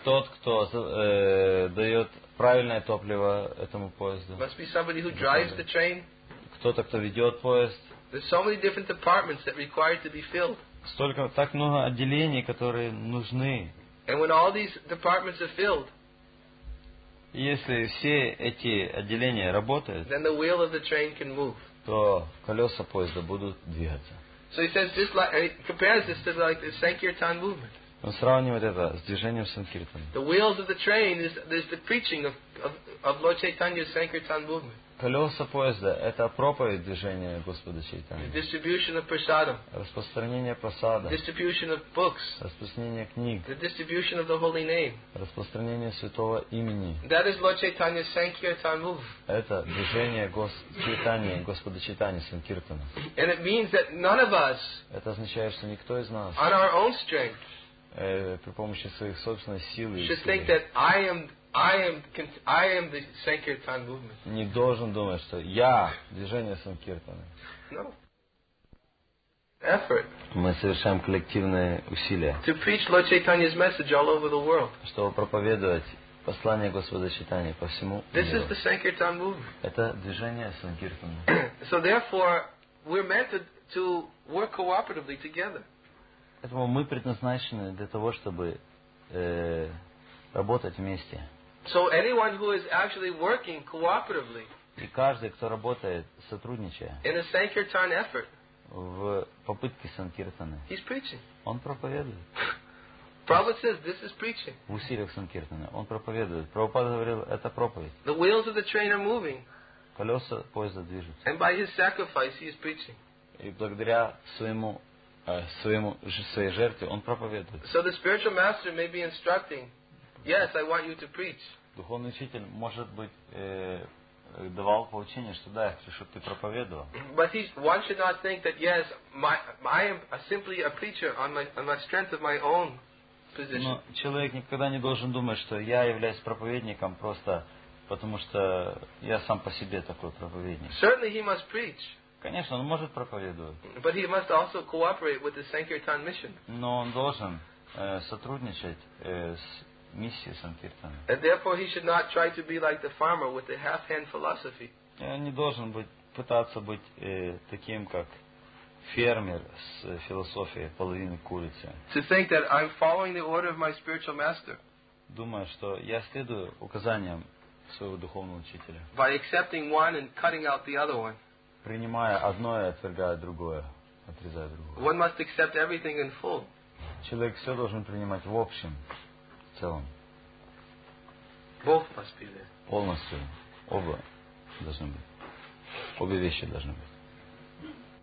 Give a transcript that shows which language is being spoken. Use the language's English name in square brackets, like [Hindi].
[Russian] Тот, кто дает правильное топливо этому поезду. [English] Must be somebody who drives the train. [Russian] Кто-то, кто ведет поезд. [English] There's so many different departments that require to be filled. [Russian] Столько, так много отделений, которые нужны. [English] And when all these departments are filled, [Russian] если все эти отделения работают, [English] then the wheel of the train can move. [Russian] То колеса поезда будут двигаться. [English] So he says just like, he compares this to like the Sankirtan movement. [Russian] Он сравнивает это с движением Санкиртана. [English] The wheels of the train is the preaching of Lord Chaitanya's Sankirtan movement. [Russian] колеса поезда – это проповедь движения Господа Чайтаньи. [English] Distribution of prasadam. [Russian] Распространение просада. [English] Distribution of books. [Russian] Распространение книг. [English] The distribution of the holy name. [Russian] Распространение святого имени. [English] That is Lord Chaitanya's Sankirtan move. [Russian] Это движение Чайтаньи, Господа Чайтаньи, Санкиртана. [English] And it means that none of us. [Russian] Это означает, что никто из нас. [English] On our own strength. [Russian] При помощи своих собственных сил. [English] Should think that I am the Sankirtan movement. [Russian] Не должен думать, что я движение Санкиртаны. [English] No. Effort. [Russian] Мы совершаем коллективные усилия. [English] To preach Lord Chaitanya's message all over the world. [Russian] Чтобы проповедовать послание Господа Чайтаньи по всему миру. [English] This is the Sankirtan movement. [Russian] Это движение Санкиртаны. [English] So therefore, we're meant to work cooperatively together. [Russian] Поэтому мы предназначены для того, чтобы работать вместе. [English] So anyone who is actually working cooperatively. [Russian] И каждый, кто работает, сотрудничая. [English] In a Sankirtan effort. [Russian] В попытке Санкиртаны. [English] He's preaching. [Russian] Он проповедует. [English] Prabhupada says this is preaching. [Russian] В усилиях Санкиртаны. Он проповедует. Прабхупада говорил, это проповедь. [English] The wheels of the train are moving. [Russian] Колеса поезда движутся. [English] And by his sacrifice he is preaching. [Russian] И благодаря своему своей жертве он проповедует. [English] So the spiritual master may be instructing. Yes, I want you to preach. [Russian] Духовный учитель может быть давал поучение, что да, я хочу, чтобы ты проповедовал. [English] But one should not think that yes, I am simply a preacher on my strength of my own position. [Russian] Но человек никогда не должен думать, что я являюсь проповедником просто потому что я сам по себе такой проповедник. [English] Certainly he must preach. [Russian] Конечно, он может проповедовать. [English] But he must also cooperate with the Sankirtan mission. [Russian] Но он должен сотрудничать с миссией Санкиртаны. [English] And therefore he should not try to be like the farmer with a half-hand philosophy. [Russian] Он не должен пытаться быть таким, как фермер с философией половины курицы. [English] To think that I'm following the order of my spiritual master. [Russian] Думая, что я следую указаниям своего духовного учителя. [English] By accepting one and cutting out the other one. [Russian] Принимая одно и отвергая другое, отрезая другое. [English] One must accept everything in full. [Russian] Человек все должен принимать в общем, в целом. [English] Both must be there. [Russian] Полностью. Оба должны быть. Обе вещи должны быть.